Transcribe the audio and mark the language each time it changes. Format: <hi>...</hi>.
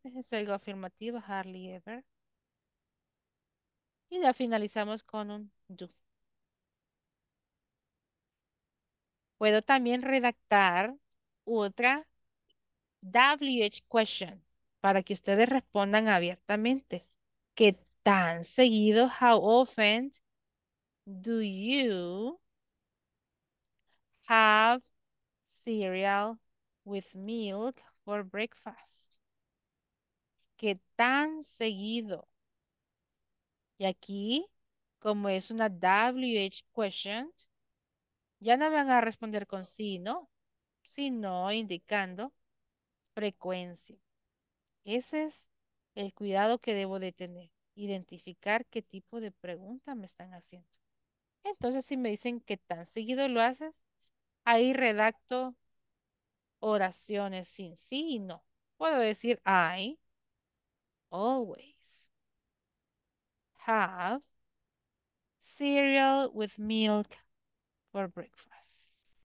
<es>Es algo afirmativo.</es> <en>Hardly ever.</en> <es>Y la finalizamos con un do. Puedo también redactar otra WH question para que ustedes respondan abiertamente. ¿Qué tan seguido,</es> <en>how often do you have cereal with milk for breakfast?</en> <es>¿Qué tan seguido? Y aquí, como es una WH question, ya no me van a responder con sí, ¿no? Sino indicando frecuencia. Ese es el cuidado que debo de tener. Identificar qué tipo de pregunta me están haciendo. Entonces, si me dicen que tan seguido lo haces, ahí redacto oraciones sin sí y no. Puedo decir</es> <en>I always have cereal with milk for breakfast.</en>